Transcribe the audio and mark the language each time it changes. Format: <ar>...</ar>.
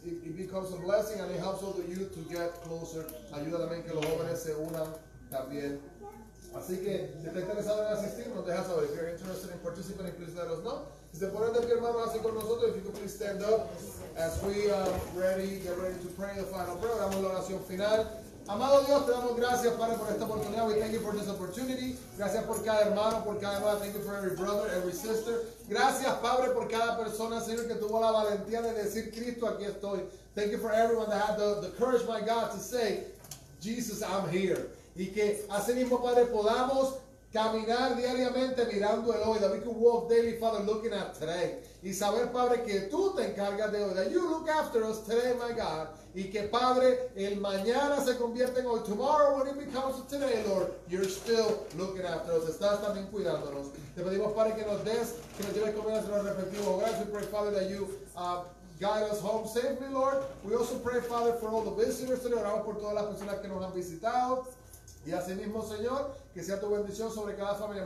<en>It becomes a blessing and it helps all the youth to get closer.</en> <es>Ayuda también que los jóvenes se unan también. Así que si está interesado en asistir, nos deja saber.</es> <en>If you're interested in participating, please let us know.</en> <es>Si se ponen de pie, hermano, así con nosotros.</es> <en>If you could please stand up as we get ready to pray the final prayer.</en> <es>Damos la oración final. Amado Dios, te damos gracias, Padre, por esta oportunidad.</es> <en>We thank you for this opportunity.</en> <es>Gracias por cada hermano, por cada hermana.</es> <en>Thank you for every brother, every sister.</en> <es>Gracias, Padre, por cada persona, Señor, que tuvo la valentía de decir, Cristo, aquí estoy.</es> <en>Thank you for everyone that had the courage, my God, to say, Jesus, I'm here.</en> <es>Y que así mismo, Padre, podamos caminar diariamente mirando el hoy.</es> <en>That we can walk daily, Father, looking at today.</en> <es>Y saber, Padre, que tú te encargas de hoy.</es> <en>That you look after us today, my God.</en> <es>Y que, Padre, el mañana se convierte en hoy.</es> <en>Tomorrow, when it becomes today, Lord, you're still looking after us.</en> <es>Estás también cuidándonos. Te pedimos, Padre, que nos des, que nos lleves comida a nuestros respectivos hogares.</es> <en>We pray, Father, that you guide us home safely, Lord. We also pray, Father, for all the visitors today.</en> <es>Oramos por todas las personas que nos han visitado. Y así mismo, Señor, que sea tu bendición sobre cada familia.</es>